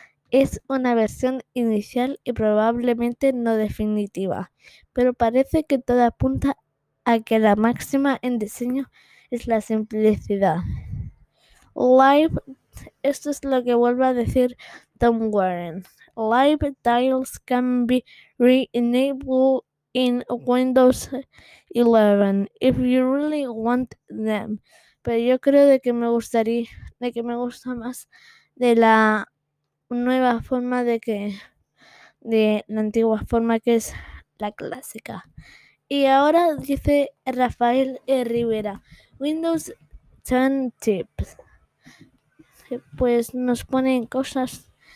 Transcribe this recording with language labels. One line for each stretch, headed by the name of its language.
Spanish: Es una versión inicial y probablemente no definitiva, pero parece que todo apunta a que la máxima en diseño es la simplicidad. Live, esto es lo que vuelve a decir Tom Warren.
English: Live tiles can be re-enabled in Windows 11 if you really want them.
Spanish: Pero yo creo de que me gusta más de la nueva forma de la antigua forma, que es la clásica. Y ahora dice Rafael Rivera, Windows 10 Tips. Pues nos ponen cosas